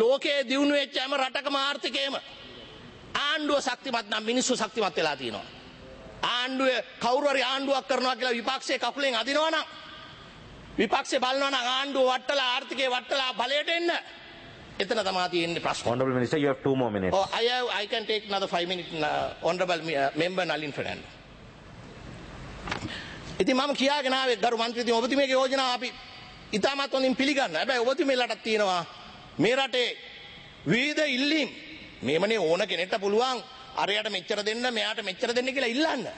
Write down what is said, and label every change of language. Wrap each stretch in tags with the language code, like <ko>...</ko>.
<si>ලෝකයේ දියුණු වෙච්ච හැම රටකම ආර්ථිකයම ආණ්ඩුව ශක්තිමත් නම් මිනිස්සු ශක්තිමත් වෙලා තියෙනවා. ආණ්ඩුවේ කවුරු හරි ආණ්ඩුවක් කරනවා කියලා විපක්ෂයේ කකුලෙන් අදිනවා නම්, විපක්ෂේ බලනවා නම් ආණ්ඩුව වට්ටලා ආර්ථිකය වට්ටලා බලයට එන්න, එතන තමයි තියෙන්නේ ප්‍රශ්න.</si> <en>Honorable Minister, you have 2 more minutes. Oh, I can take another 5 minutes. Honorable Member Nalin Fernando.</en> <si>ඉතින් මම කියාගෙන ආවේ ගරු මන්ත්‍රීතුමනි, ඔබතුමියගේ යෝජනාව අපි ඉතාමත් හොඳින් පිළිගන්න. හැබැයි ඔබතුමියලටත් තියෙනවා මේ රටේ විවිධ ඉල්ලීම්. මේමනේ ඕන කෙනෙක්ට පුළුවන් අරයට මෙච්චර දෙන්න, මෙයාට මෙච්චර දෙන්න කියලා ඉල්ලන්න.</si>